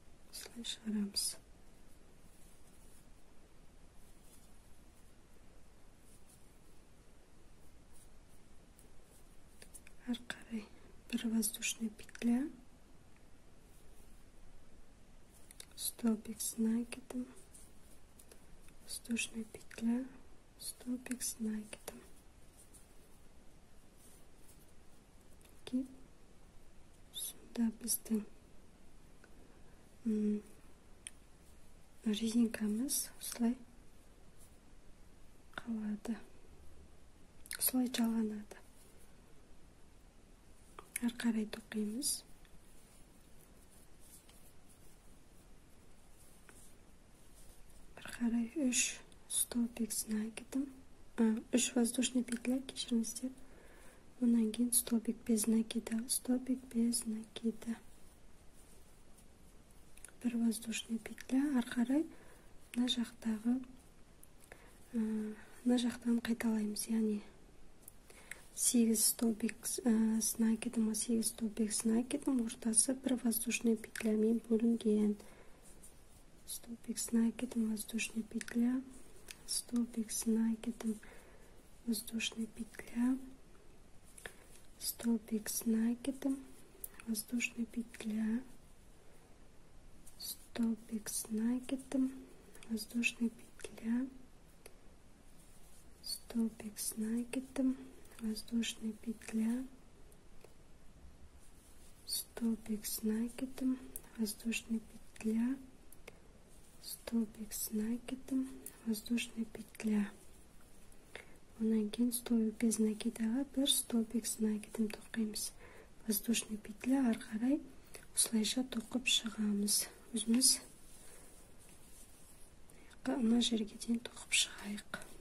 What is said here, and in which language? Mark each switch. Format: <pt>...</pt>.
<kk>Осылай шығарамыз. Ары қарай бір воздушная петля.</kk> <ru>Столбик с накидом, воздушная петля, столбик с накидом.</ru> <kk>Окей.</kk> <ru>Сюда</ru> <kk>біздің резинкамыз осылай қалады, осылай жалғанады. Ары қарай тоқимыз. Қарай үш столбик знакидым, үш воздушный петля, кешіріңіздер. Онан кейін столбик без накида, столбик без накида. Бір воздушный петля. Ары қарай мына жақтағы, мына жақтан қайталаймыз. Яғни сегіз столбик знакидым, сегіз столбик знакидым, ортасы бір воздушный петлямен бөлінген.</kk> <ru>Столбик с накидом, воздушная петля, столбик с накидом, воздушная петля, столбик с накидом, воздушная петля, столбик с накидом, воздушная петля, столбик с накидом, воздушная петля, столбик с накидом, воздушная петля, столбик с накидом, воздушная петля.</ru> <kk>Онан кейін столбик без накидаға бір столбик с накидом тоқимыз. Воздушная петля. Ары қарай осылайша тоқып шығамыз. Өзіміз мына жерге дейін тоқып шығайық.</kk>